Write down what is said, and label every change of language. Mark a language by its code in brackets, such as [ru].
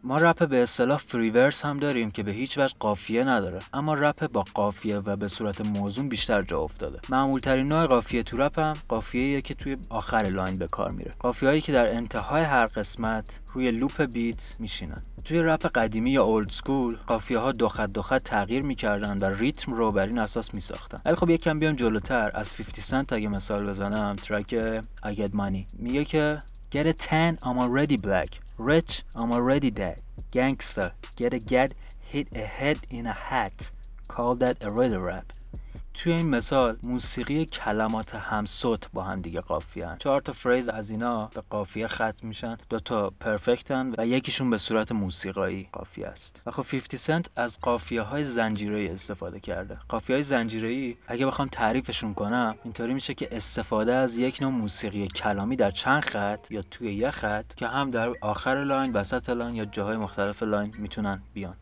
[fa] ما رپ به اصطلاح فری ورس هم داریم که به هیچ وجه قافیه نداره، اما رپ با قافیه و به صورت موزون بیشتر جا افتاده. معمول ترین نوع قافیه تو رپ هم قافیه ایه که توی آخر لاین به کار میره، قافیه هایی که در انتهای هر قسمت روی لوپ بیت میشینن. توی رپ قدیمی یا اولد سکول قافیه ها دو خط دو خط تغییر میکردن و ریتم رو بر این اساس میساختن. ولی خب یکم بیام جلوتر، از 50 سنت اگه مثال بزنم، ترک I get money میگه که [en] get a tan I'm already black, rich I'm already dead, gangsta get a get hit a head in a hat, call that a real rap. [fa] توی این مثال موسیقی کلمات همصوت با هم دیگه قافیه هن. 4 تا فریز از اینا به قافیه ختم میشن، 2 تا پرفکت هن و یکیشون به صورت موسیقایی قافیه است. و خب 50 سنت از قافیه های زنجیره ای استفاده کرده. قافیه های زنجیره ای اگه بخوام تعریفشون کنم اینطوری میشه که استفاده از یک نوع موسیقی کلامی در چند خط یا توی یک خط که هم در آخر لاین، وسط لاین یا جاهای مختلف لاین میتونن بیان.